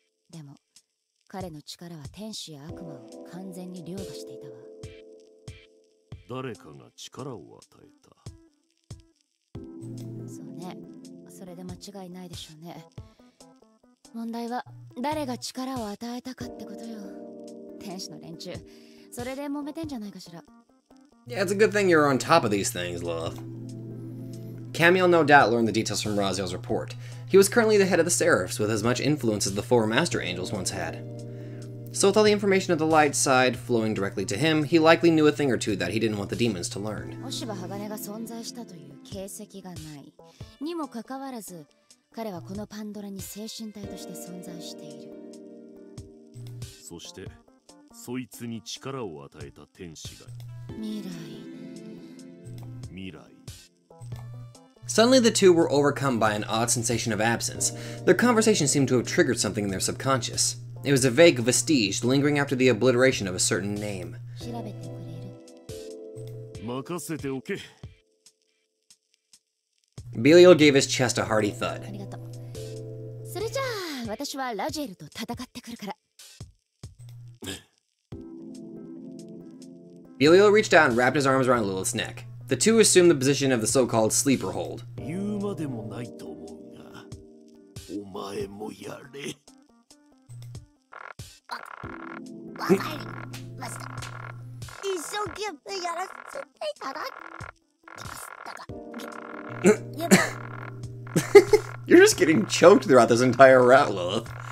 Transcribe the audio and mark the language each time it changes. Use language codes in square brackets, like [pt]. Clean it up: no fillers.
[ja] でも彼の力は天使や悪魔を完全に凌駕していたわ。誰かが力を与えた。そうね。それで間違いないでしょうね。問題は誰が力を与えたかってことよ。天使の連中、それで揉めてんじゃないかしら。 [en] Yeah, it's a good thing you're on top of these things, love. Camille no doubt learned the details from Raziel's report. He was currently the head of the Seraphs, with as much influence as the four Master Angels once had. So with all the information of the light side flowing directly to him, he likely knew a thing or two that he didn't want the demons to learn. [ja] 押し葉鋼が存在したという形跡がない。にもかかわらず、彼はこのパンドラに精神体として存在している。そして、そいつに力を与えた天使が。未来。未来。 [en] Suddenly the two were overcome by an odd sensation of absence. Their conversation seemed to have triggered something in their subconscious. It was a vague vestige lingering after the obliteration of a certain name. [ja] 調べてくれる。任せておけ。 [en] Belial gave his chest a hearty thud. [ja] それじゃあ、私はラジエルと戦ってくるから。 [en] Belial reached out and wrapped his arms around Lilith's neck. The two assumed the position of the so-called sleeper hold. [ja] 言うまでもないと思うが、お前もやれ。わかりました。一生懸命やらせていただき。 [en] You're just getting choked throughout this entire route, Lilith.